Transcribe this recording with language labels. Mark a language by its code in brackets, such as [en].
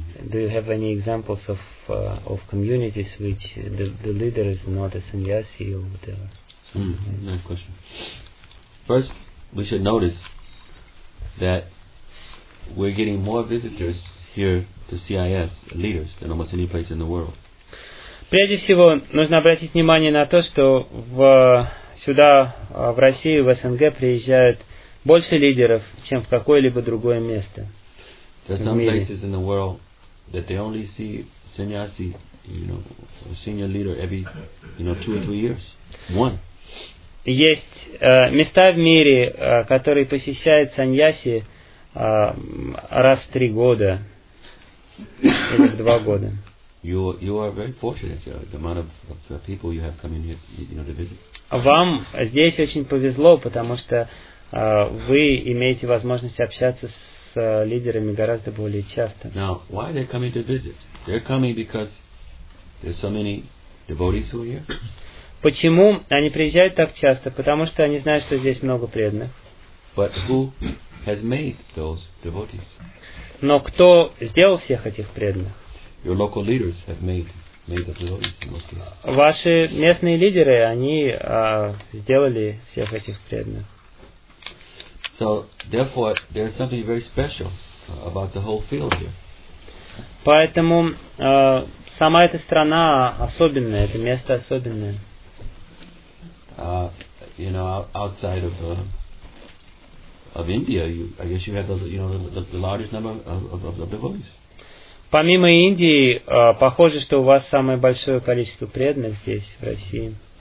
[en] Do you have any examples of communities which the leader is not a sannyasi or whatever? Nice question. First, we should notice that we're getting more visitors here to CIS leaders than almost any place in the world. [ru] Прежде всего, нужно обратить внимание на то, что сюда, в Россию, в СНГ приезжают больше лидеров, чем в какое-либо другое место. [en] There are some places in the world that they only see sannyasi, you know, a senior leader every, you know, two or three years. One. [ru] Есть места в мире, которые посещают саньяси раз в три года или в два года. [en] You are very fortunate, the amount of people you have coming here, you know, to visit. [ru] Вам здесь очень повезло, потому что вы имеете возможность общаться с лидерами гораздо более часто. [en] Now, why are they coming to visit? They're coming because there's so many devotees who are here. [ru] Почему они приезжают так часто? Потому что они знают, что здесь много преданных. [en] But who has made those devotees? [ru] Но кто сделал всех этих преданных? [en] Your local leaders have made the devotees in most cases. [ru] Ваши местные лидеры, они сделали всех этих преданных. [en] So therefore, there is something very special about the whole field here. [ru] Поэтому сама эта страна особенная, это место особенное. [en] You know, outside of India, I guess you have the largest number of devotees. [ru] Помимо Индии, похоже, что у вас самое большое количество преданных здесь в России.